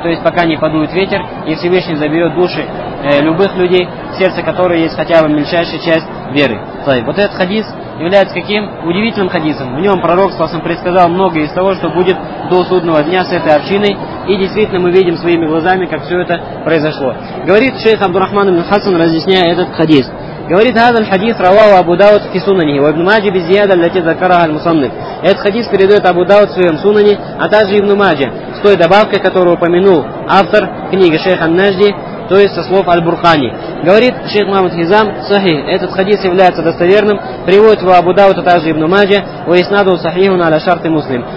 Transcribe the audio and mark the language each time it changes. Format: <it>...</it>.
<ru>То есть пока не подует ветер, и Всевышний заберет души любых людей, в сердце которых есть хотя бы мельчайшая часть веры. Вот этот хадис является каким? Удивительным хадисом. В нем пророк Саласам предсказал многое из того, что будет до судного дня с этой общиной. И действительно мы видим своими глазами, как все это произошло. Говорит шейх Абдурахман ибн Хасан, разъясняя этот хадис.</ru> <ar>Говорит, هذا الحديث رواه أبو داود في سننه وابن ماجه بزيادة التي ذكرها المصنف.</ar> <ru>Этот хадис передает Абу Дауд в своем сунане, а также Ибн Маджа, с той добавкой, которую упомянул автор книги шейха Ан-Нажди, то есть со слов Аль-Бурхани. Говорит шейх Мухаммад Хизам, сахих, этот хадис является достоверным, приводит его Абу Дауд, а также Ибн Маджа,</ru> <ar>ва иснаду сахихун аля шарти муслим.</ar>